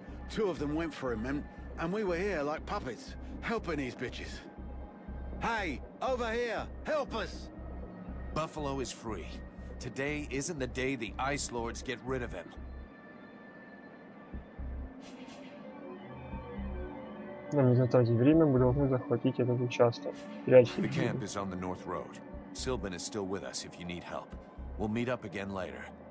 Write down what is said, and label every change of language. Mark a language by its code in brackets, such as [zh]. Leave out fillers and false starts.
[en] Two of them went for him, and we were here like puppets, helping these bitches. Hey, over here, help us! Buffalo is free. Today isn't the day the Ice Lords get rid of him. [ru] Нам не затратить время, мы должны захватить этот участок. [en] The camp is on the north road. Silban is still with us if you need help. We'll meet up again later.